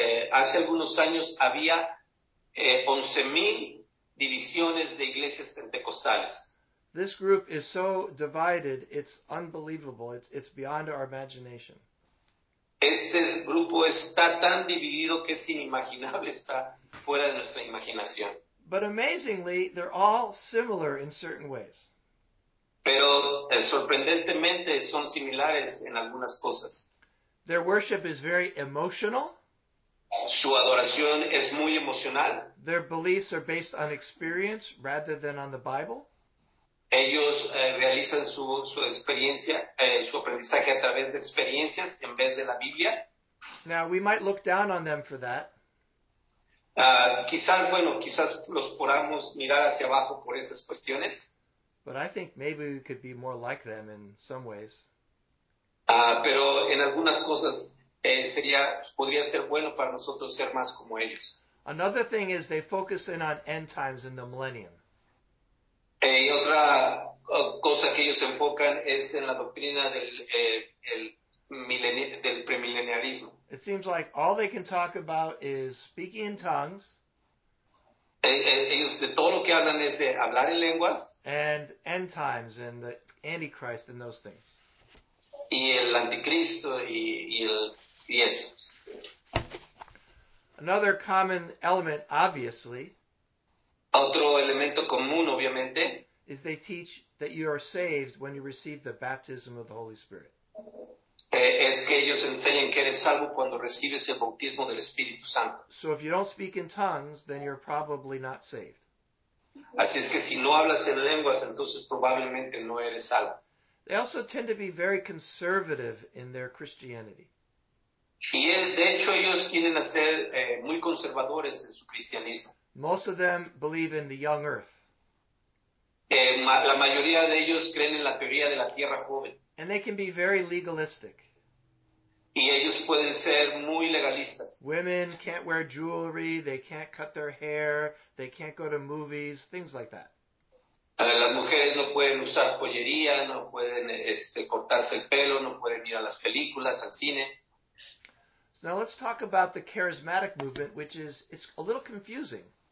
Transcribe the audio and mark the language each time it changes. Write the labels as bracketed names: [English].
[Spanish] Hace algunos años había 11,000 divisiones de iglesias pentecostales. [English] This group is so divided, it's unbelievable. It's beyond our imagination. [Spanish] Este grupo está tan dividido que es inimaginable, está fuera de nuestra imaginación. [English] But amazingly, they're all similar in certain ways. [Spanish] Pero sorprendentemente son similares en algunas cosas. [English] Their worship is very emotional. [Spanish] Su adoración es muy emocional. [English] Their beliefs are based on experience rather than on the Bible. [Spanish] Ellos realizan su experiencia, su aprendizaje a través de experiencias en vez de la Biblia. [English] Now, we might look down on them for that. [Spanish] Quizás los podamos mirar hacia abajo por esas cuestiones. [English] But I think maybe we could be more like them in some ways. [Spanish] Pero en algunas cosas podría ser bueno para nosotros ser más como ellos. [English] Another thing is they focus in on end times in the millennium. [Spanish] Y otra cosa que ellos enfocan es en la doctrina del del premilenarismo. [English] It seems like all they can talk about is speaking in tongues. [Spanish] Ellos de todo lo que hablan es de hablar en lenguas. [English] And end times and the Antichrist and those things. [Spanish] Y el anticristo y eso. [English] Another common element, obviously. [Spanish] Otro elemento común, obviamente. [English] Is they teach that you are saved when you receive the baptism of the Holy Spirit. [Spanish] Es que ellos enseñan que eres salvo cuando recibes el bautismo del Espíritu Santo. [English] So if you don't speak in tongues, then you're probably not saved. [Spanish] Así es que si no hablas en lenguas, entonces probablemente no eres salvo. [English] They also tend to be very conservative in their Christianity. [Spanish] Y de hecho ellos tienden a ser muy conservadores en su cristianismo. [English] Most of them believe in the young earth. [Spanish] La mayoría de ellos creen en la teoría de la tierra joven. [English] And they can be very legalistic. [Spanish] Y ellos pueden ser muy legalistas. [English] Women can't wear jewelry, they can't cut their hair, they can't go to movies, things like that. [Spanish] Las mujeres no pueden usar joyería, no pueden cortarse el pelo, no pueden ir a las películas, al cine. [English] So now let's talk about the charismatic movement, which is it's a little confusing.